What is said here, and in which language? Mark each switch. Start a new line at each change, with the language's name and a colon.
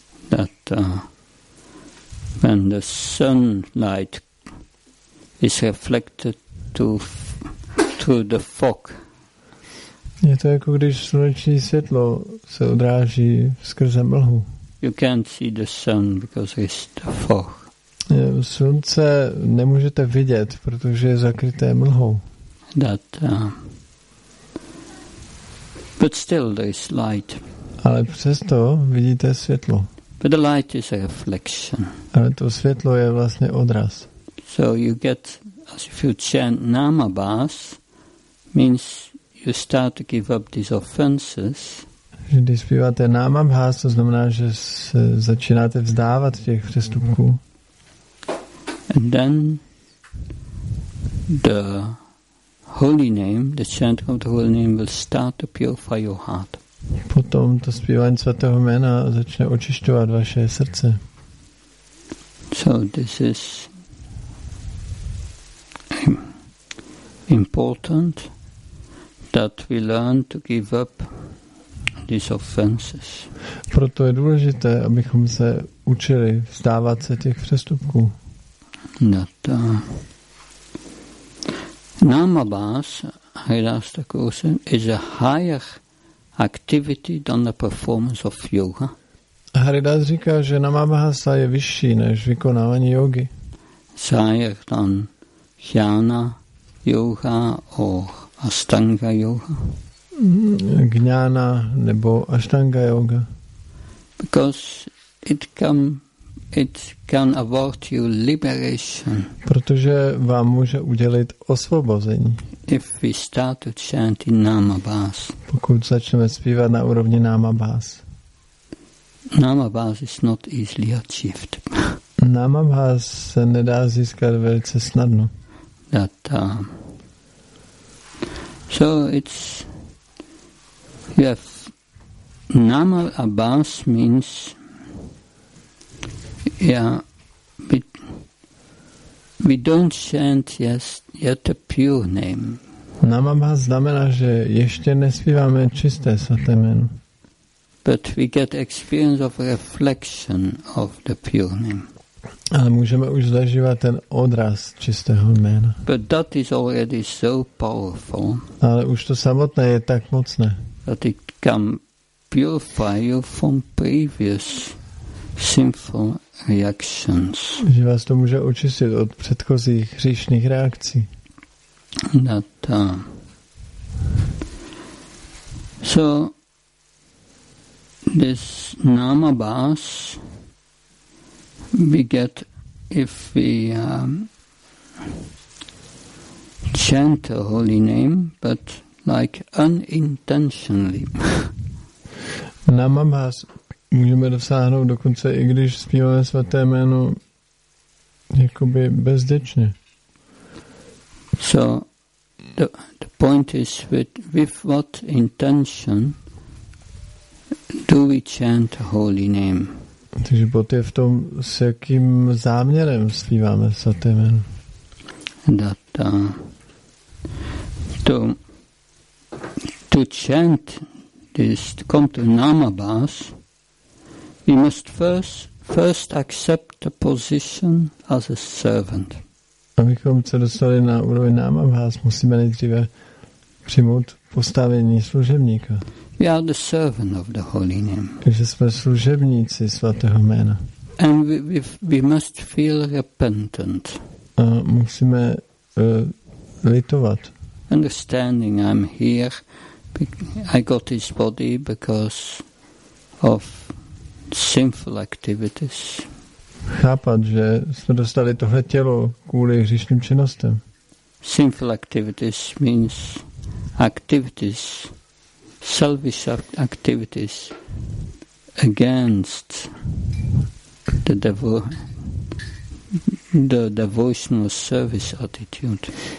English: That when the sunlight is reflected to the fog.
Czech: Je to jako když sluneční světlo se odráží skrze mlhu.
English: You can't see the sun because it's the fog.
Czech: Slunce nemůžete vidět, protože je zakryté mlhou.
English: That, but still there is light.
Czech: Ale přesto vidíte světlo.
English: But the light is a reflection.
Czech: Ale to světlo je vlastně odraz.
English: So you get, as if you chant namabhas, means you start to give up these offenses.
Czech: Že když zpíváte namabhas, to znamená, že se začínáte vzdávat těch přestupků.
English: And then the holy name, the chanting of the holy name, will start to purify your heart.
Czech: Potom to zpívání svatého jména začne očišťovat vaše srdce.
English: So this is important that we learn to give up these offenses.
Czech: Proto je důležité, abychom se učili vzdávat se těch přestupků.
English: That namabhas, Haridas Thakur said, is a higher activity than the performance of yoga.
Czech: Haridas říká, že namabhas je vyšší než vykonávání jógy.
English: Higher than jnana yoga or ashtanga yoga.
Czech: Jnana nebo ashtanga yoga.
English: Because it can award you liberation.
Czech: Protože vám může udělit osvobození.
English: If we start to chant in namabhas.
Czech: Pokud začneme zpívat na úrovni namabhas.
English: Namabhas is not easily achieved.
Czech: Namabhas se nedá získat velice snadno.
English: That, so it's you have namabhas means. Yeah, we don't chant yet the pure name.
Czech: Namabhas znamená, že ještě nespíváme čisté svaté jméno.
English: But we get experience of reflection of the pure name.
Czech: Ale můžeme už zažívat ten odraz čistého jména.
English: But that is already so powerful.
Czech: Ale už to samotné je tak mocné.
English: That it can purify you from previous sinful reactions.
Czech: Že vás to může očistit od předchozích hříšných reakcí.
English: that so this nama bhas we get if we chant the holy name, but like unintentionally.
Czech: Nama bhas můžeme dosáhnout dokonce i když zpíváme svaté jméno jakoby bezdečně.
English: So the point is with what intention do we chant the holy name?
Czech: Takže bod je v tom, s jakým záměrem zpíváme svaté jméno.
English: That to chant this, to come to namabhas, we must first accept the position as a servant.
Czech: Abychom se dostali na úroveň námabhás, musíme nejdříve přijmout postavení služebníka.
English: We are the servant of the holy name.
Czech: Takže jsme služebníci svatého jména.
English: And we must feel repentant.
Czech: A musíme litovat.
English: Understanding I'm here, I got his body because of sinful activities.
Czech: Chápat, že jsme dostali tohle tělo kvůli hříšným činnostem.
English: Sinful activities means activities, selfish activities against the devotional service attitude.